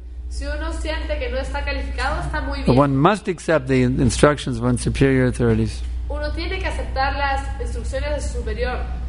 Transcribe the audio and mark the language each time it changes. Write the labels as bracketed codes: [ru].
[es] Si uno siente que no está calificado, está muy bien. [en] But one must accept the instructions of one's superior authorities. [es] Uno tiene que aceptar las instrucciones de su superior.